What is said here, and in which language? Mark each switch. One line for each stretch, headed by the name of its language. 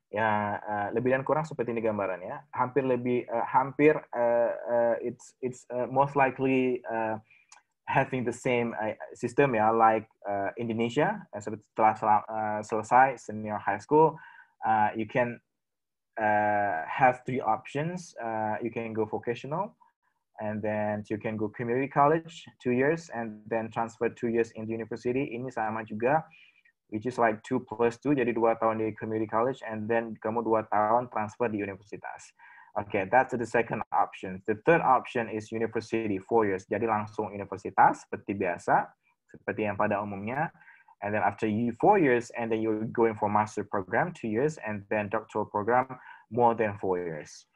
Indonesian: Ya, lebih dan kurang seperti ini gambarannya. Hampir lebih hampir
English: it's most likely having the same system ya, like Indonesia.
Indonesian: Setelah selesai
English: senior high school. You can have three options. You can go vocational, and then you can go community college 2 years, and then transfer 2 years in the university.
Indonesian: Ini sama juga,
English: which is like 2+2,
Indonesian: jadi 2 tahun di community college,
English: and then
Indonesian: kamu 2 tahun transfer di universitas.
English: Okay, that's the second option. The third option is university, 4 years.
Indonesian: Jadi langsung universitas, seperti biasa, seperti yang pada umumnya.
English: And then after you 4 years, and then you're going for master program 2 years, and then doctoral program more than 4 years.